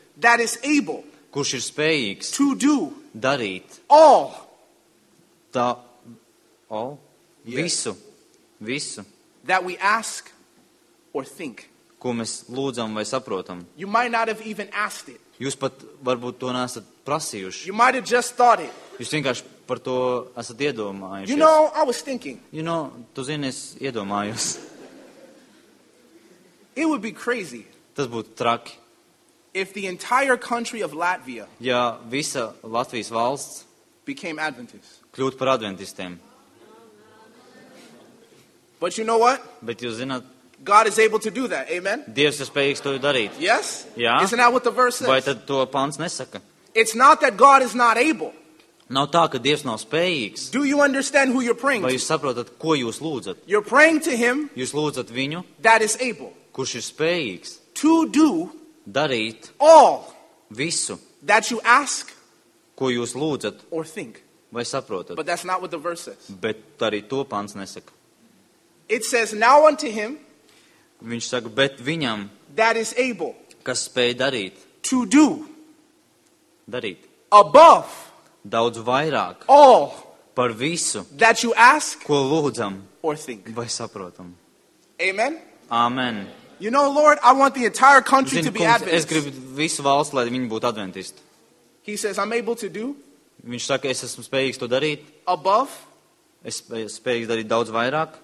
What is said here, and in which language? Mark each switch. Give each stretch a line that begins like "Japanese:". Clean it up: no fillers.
English: that is able,
Latvian: kurš ir spējīgs,
English: to do,
Latvian: darīt,
English: all,
Latvian: tā,
English: all, yes.
Latvian: Visu, visu,
English: that we ask or think.
Latvian: Ko mēs lūdzam vai saprotam.
English: You might not have even asked it.
Latvian: Jūs pat varbūt to neesat prasījuši.
English: You might have just thought it.
Latvian: Jūs vienkārši par to esat iedomājušies.
English: You know, I was thinking. You know,
Latvian: tu zini, es iedomājos.
English: It would be crazy.
Latvian: Tas būtu traki.
English: If the entire country of Latvia.
Latvian: Ja visa Latvijas valsts
English: became Adventists.
Latvian: Kļūtu par adventistiem.
English: But you know what?
Latvian: Bet jūs zināt,
English: God is able to do that. Amen.
Latvian: Dievs ir spējīgs to darīt.
English: Yes?
Latvian: Jā.
English: Isn't that what the verse says?
Latvian: Vai tad to pants nesaka?
English: It's not that God is not able.
Latvian: Nav tā, ka Dievs nav spējīgs.
English: Do you understand who you're praying to?
Latvian: Vai jūs saprotat, ko jūs lūdzat?
English: You're praying to him.
Latvian: Jūs lūdzat viņu.
English: That is able.
Latvian: Kurš ir spējīgs.
English: To do.
Latvian: Darīt.
English: All.
Latvian: Visu.
English: That you ask.
Latvian: Ko jūs lūdzat.
English: Or think.
Latvian: Vai saprotat?
English: But that's not what the verse says.
Latvian: Bet arī to pants nesaka.
English: It says now unto him.
Latvian: Viņš saka, bet viņam.
English: That is able.
Latvian: Kas spēj darīt.
English: To do.
Latvian: Darīt.
English: Above.
Latvian: Daudz vairāk.
English: All.
Latvian: Par visu.
English: That you ask.
Latvian: Ko lūdzam.
English: Or think.
Latvian: Vai saprotam.
English: Amen.
Latvian: Amen.
English: You know, Lord, I want the entire country
Latvian: Zin,
English: to be Adventist.
Latvian: Es gribu visu valsti, lai viņi būtu adventisti.
English: He says I'm able to do.
Latvian: Viņš saka, es esmu spējīgs to darīt.
English: Above.
Latvian: Es spēju darīt daudz vairāk.